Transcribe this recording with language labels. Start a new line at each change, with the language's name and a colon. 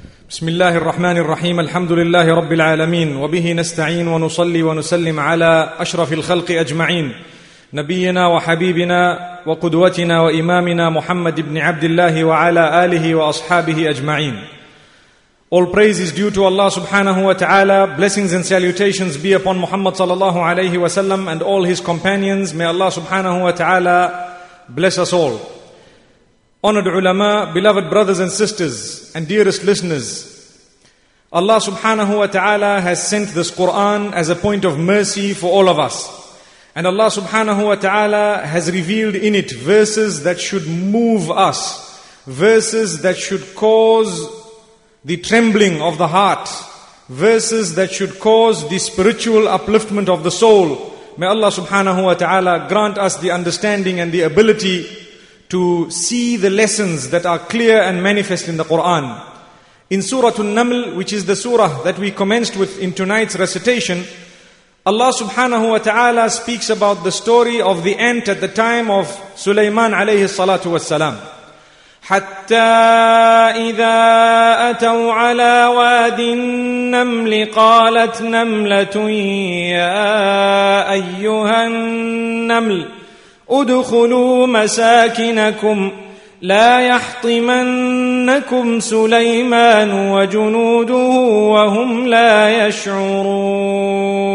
Arabic: بسم الله الرحمن الرحيم الحمد لله رب العالمين وبه نستعين ونصلي ونسلم على أشرف الخلق أجمعين نبينا وحبيبنا وقدوتنا وإمامنا محمد بن عبد الله وعلى آله وأصحابه أجمعين.
English: All praise is due to Allah subhanahu wa ta'ala. Blessings and salutations be upon Muhammad sallallahu alayhi wa sallam and all his companions. May Allah subhanahu wa ta'ala bless us all. Honored ulama, beloved brothers and sisters, and dearest listeners, Allah subhanahu wa ta'ala has sent this Quran as a point of mercy for all of us. And Allah subhanahu wa ta'ala has revealed in it verses that should move us, verses that should cause the trembling of the heart, verses that should cause the spiritual upliftment of the soul. May Allah subhanahu wa ta'ala grant us the understanding and the ability to see the lessons that are clear and manifest in the Quran. In Surah An-Naml, which is the surah that we commenced with in tonight's recitation, Allah subhanahu wa ta'ala speaks about the story of the ant at the time of Sulaiman alayhi salatu wassalam.
Arabic: حَتَّى إِذَا أَتَوْا عَلَى وَادِ النَّمْلِ قَالَتْ نَمْلَةٌ يَا أَيُّهَا النَّمْلُ ادخلوا مساكنكم لا يحطمنكم سليمان وجنوده وهم لا يشعرون.